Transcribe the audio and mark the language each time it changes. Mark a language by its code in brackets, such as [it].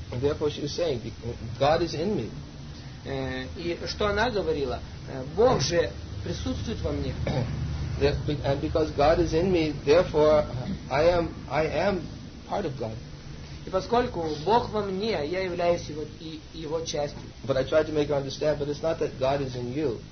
[en] And therefore she was saying, "God is in me." [ru] И что она говорила? Бог же присутствует во мне. [en] And because God is in me, therefore I am part of God. [ru] И поскольку Бог во мне, я являюсь его частью. [en] But I tried to make her understand, but it's not that God is in you.